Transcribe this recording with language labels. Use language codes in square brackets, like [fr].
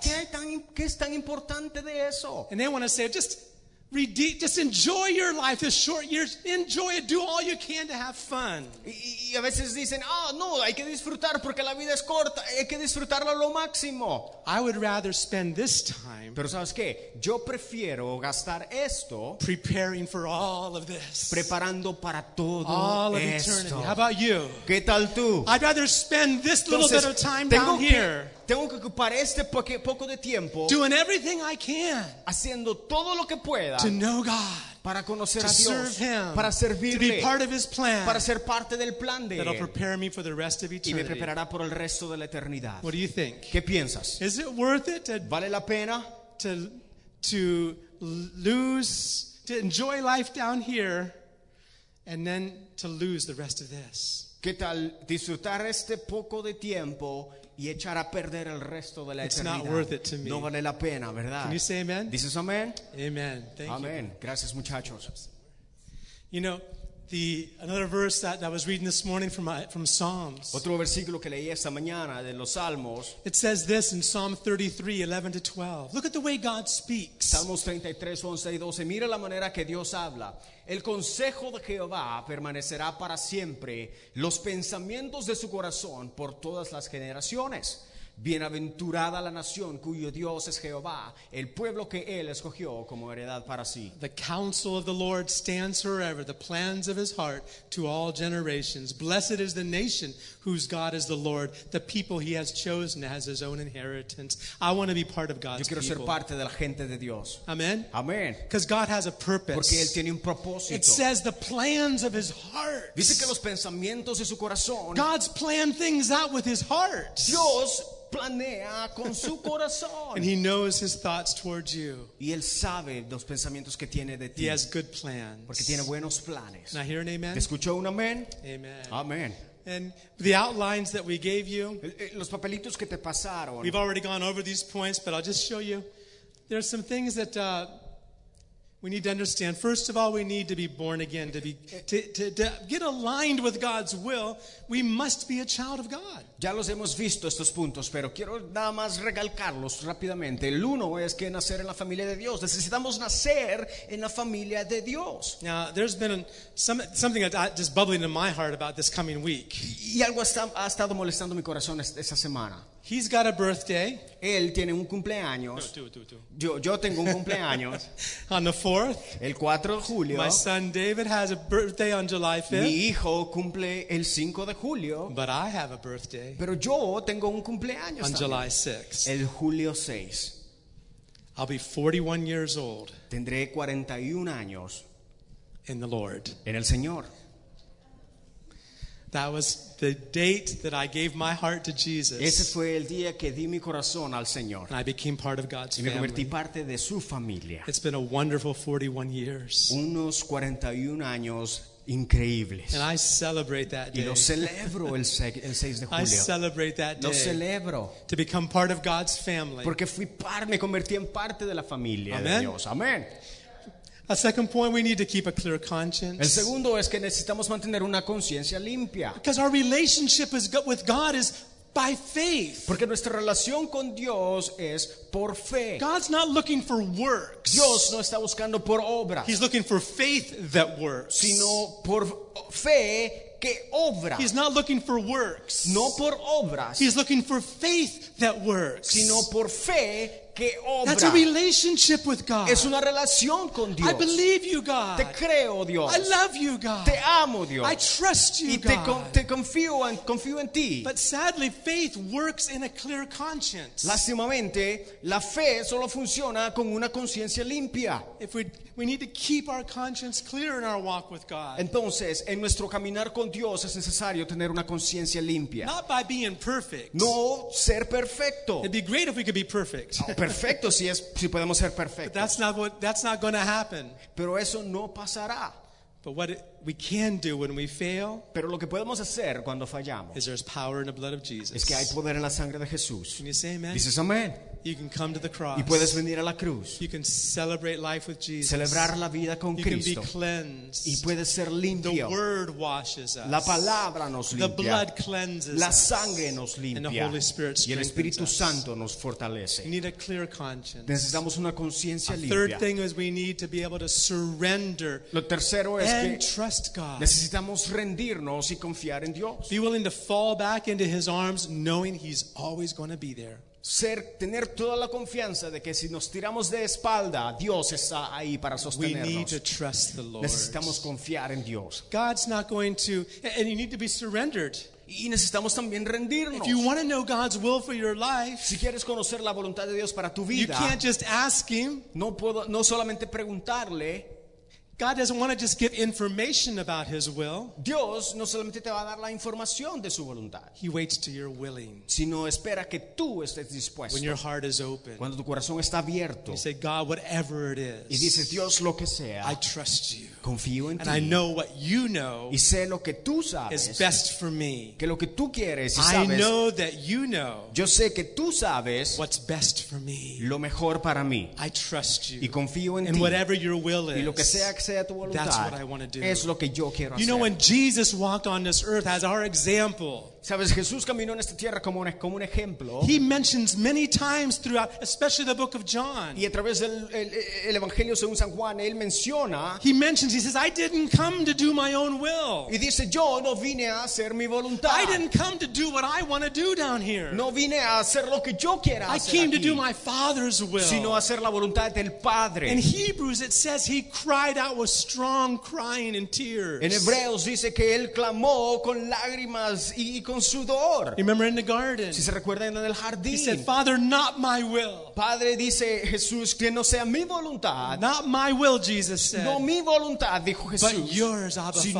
[es] ¿Qué hay tan, qué es tan importante de eso? [en] And they want to say, just enjoy your life, this short years. Enjoy it. Do all you can to have fun. [es] Y a veces dicen, ah, no, hay que disfrutar porque la vida es corta. Hay que disfrutarlo lo máximo. [en] I would rather spend this time. [es] Pero sabes qué, yo prefiero gastar esto. [en] Preparing for all of this. [es] Preparando para todo [en] all of [es] esto. [en] Eternity. How about you? [es] ¿Qué tal tú? [en] I'd rather spend this [es] Entonces, [en] little bit of time down here. [es] Tengo que ocupar este poco de tiempo [en] doing everything I can [es] haciendo todo lo que pueda [en] to know God, [es] para conocer [en] to [es] a Dios [en] serve him, [es] para servirle [en] to be part of his plan, [es] para ser parte del plan de [en] that'll [es] él [en] prepare me for the rest of eternity. [es] Y me preparará por el resto de la eternidad. [en] What do you think? [es] ¿Qué piensas? [en] Is it worth it to, [es] ¿vale la pena [en] to lose to enjoy life down here and then to lose the rest of this? [es] ¿Qué tal disfrutar este poco de tiempo y echar a perder el resto de la [en] it's [es] eternidad? [en] Not worth it to me. [es] No vale la pena, ¿verdad? [en] Can you say amen? [es] Dices amén. [en] Amen. Thank amen. You. [es] Amen. Gracias, muchachos. [en] You know, the another verse that I was reading this morning from Psalms. [es] Otro versículo que leí esta mañana de los Salmos. [en] It says this in Psalm 33:11-12. Look at the way God speaks. [es] Salmos 33:11-12. Mira la manera que Dios habla. El consejo de Jehová permanecerá para siempre, los pensamientos de su corazón por todas las generaciones. Bienaventurada la nación cuyo Dios es Jehová, el pueblo que él escogió como heredad para sí. [en] The counsel of the Lord stands forever, the plans of his heart to all generations. Blessed is the nation whose God is the Lord, the people he has chosen as his own inheritance. I want to be part of God's people. [es] Yo quiero ser [en] people. [es] Parte de la gente de Dios. Amen. Amen. [en] Because God has a purpose. [es] Porque él tiene un propósito. [en] It says the plans of his heart. [es] Dice que los pensamientos de su corazón. [en] God's planned things out with his heart. [es] Dios planea con su corazón. [en] And he knows his thoughts towards you. [es] Y él sabe los pensamientos que tiene de ti. [en] He has good plans. [es] Porque tiene buenos planes. [en] Now hear an amen. [es] ¿Escuchó un amén? Amen. Amen. [en] And the outlines that we gave you. [es] Los papelitos que te pasaron. [en] We've already gone over these points, but I'll just show you. There are some things that we need to understand. First of all, we need to be born again to get aligned with God's will. We must be a child of God. [es] Ya los hemos visto estos puntos, pero quiero nada más recalcarlos rápidamente. El uno es que nacer en la familia de Dios. Necesitamos nacer en la familia de Dios. [en] Now, there's been something that just bubbling in my heart about this coming week. [es] Y algo ha estado molestando mi corazón esa semana. [en] He's got a birthday. [es] Él tiene un cumpleaños. Yo tengo un cumpleaños. [en] On the 4th. [es] El 4 de julio. [en] My son David has a birthday on July 5th. [es] Mi hijo cumple el 5 de julio. [en] But I have a birthday. [es] Pero yo tengo un cumpleaños. [en] On July 6th. [es] El julio 6. [en] I'll be 41 years old. [es] Tendré 41 años. [en] In the Lord. [es] En el Señor. [en] That was the date that I gave my heart to Jesus. [es] Ese fue el día que di mi corazón al Señor. [en] And I became part of God's family. [es] Y me convertí parte de su familia. [en] It's been a wonderful 41 years. [es] Unos 41 años increíbles. [en] And I celebrate that day. [es] Y lo celebro el 6 de julio. [en] I celebrate that day. [es] Lo celebro. [en] To become part of God's family. [es] Porque fui parte, me convertí en parte de la familia de Dios. Amén. [en] A second point, we need to keep a clear conscience. [es] El segundo es que necesitamos mantener una conciencia limpia. [en] Because our relationship with God is by faith. [es] Porque nuestra relación con Dios es por fe. [en] God's not looking for works. [es] Dios no está buscando por obras. [en] He's looking for faith that works. [es] Sino por fe que obra. [en] He's not looking for works. [es] No por obras. [en] He's looking for faith that works. [es] Sino por fe. [en] That's a relationship with God. [es] Es una relación con Dios. [en] I believe you, God. [es] Te creo, Dios. [en] I love you, God. [es] Te amo, Dios. [en] I trust you, [es] y [en] God. [es] Te confío en ti. [en] But sadly, faith works in a clear conscience. [es] Lástimamente, la fe solo funciona con una conciencia limpia. [en] If we need to keep our conscience clear in our walk with God. [es] Entonces, en nuestro caminar con Dios es necesario tener una conciencia limpia. [en] Not by being perfect. [es] No ser perfecto. [en] It'd be great if we could be perfect. [es] Perfecto, si podemos ser perfectos. [en] But that's not going to happen. [es] Pero eso no pasará. [en] But what we can do when we fail, [es] pero lo que podemos hacer cuando fallamos, [en] is there's power in the blood of Jesus. [es] Es que hay poder en la sangre de Jesús. [en] Can you say amen? [es] Dices amén. [en] You can come to the cross. [es] Y puedes venir a la cruz. [en] You can celebrate life with Jesus. [es] Celebrar la vida con [en] you [es] Cristo. [en] You can be cleansed. [es] Y puedes ser limpio. [en] The word washes us. [es] La palabra nos limpia. [en] The blood cleanses us. [es] La sangre nos limpia. [en] And the Holy Spirit strengthens us. [es] Y el Espíritu Santo nos fortalece. [en] We need a clear conscience. [es] Necesitamos una conciencia limpia. [en] Third thing is we need to be able to surrender. [es] Lo tercero es [en] and trust God. [es] Necesitamos rendirnos y confiar en Dios. [en] Be willing to fall back into His arms, knowing He's always going to be there. [es] Ser, tener toda la confianza de que si nos tiramos de espalda, Dios está ahí para sostenernos. [en] We need to trust the Lord. [es] Necesitamos confiar en Dios. [en] God's not going to, and you need to be surrendered. [es] Y necesitamos también rendirnos. [en] If you want to know God's will for your life, [es] si quieres conocer la voluntad de Dios para tu vida, [en] you can't just ask Him. [es] No puedo, no solamente preguntarle. [en] God doesn't want to just give information about His will. [es] Dios no solamente te va a dar la información de su voluntad. [en] He waits till you're willing. [es] Sino espera que tú estés dispuesto. [en] When your heart is open. [es] Cuando tu corazón está abierto. [en] You say, God, whatever it is. [es] Y dices, Dios, lo que sea. [en] I trust you. [es] Confío en [en] and [es] ti. [en] And I know what you know. [es] Y sé lo que tú sabes. [en] Is best for me. [es] Que lo que tú quieres y sabes. [en] I know that you know. [es] Yo sé que tú sabes. [en] What's best for me. [es] Lo mejor para mí. [en] I trust you. [es] Y confío en [en] and [es] ti. [en] And whatever your will is. [es] Y lo que sea que sea. [en] That's what I want to do. You know, when Jesus walked on this earth as our example, [es] ¿sabes? Jesús caminó en esta tierra como un ejemplo. [en] He mentions many times throughout, especially the book of John. [es] Y a través del el Evangelio según San Juan, él menciona. [en] He mentions, he says, I didn't come to do my own will. [es] Y dice, yo no vine a hacer mi voluntad. [en] I didn't come to do what I want to do down here. [es] No vine a hacer lo que yo quiera hacer [en] I came [es] aquí, [en] to do my Father's will. [es] Sino hacer la voluntad del Padre. [en] In Hebrews it says he cried out with strong crying and tears. [es] En Hebreos dice que él clamó con lágrimas y con sudor. [en] Remember in the garden. [es] Si se recuerda en el jardín. [en] He said, Father, not my will. [es] Padre dice Jesús que no sea mi voluntad. [en] Not my will, Jesus said. [es] No mi voluntad, dijo Jesús. [en] But yours, Abba, [es] sino